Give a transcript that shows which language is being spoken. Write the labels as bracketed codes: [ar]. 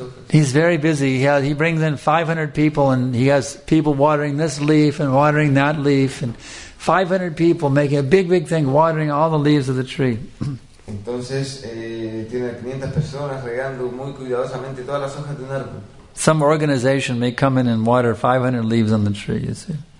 [en] He's very busy. He brings in 500 people and he has people watering this leaf and watering that leaf. And 500 people making a big, big thing, watering all the leaves of the tree. [es] Entonces, tiene 500 personas regando muy cuidadosamente todas las hojas de un árbol. [en] Some organization may come in and water 500 leaves on the tree, you see.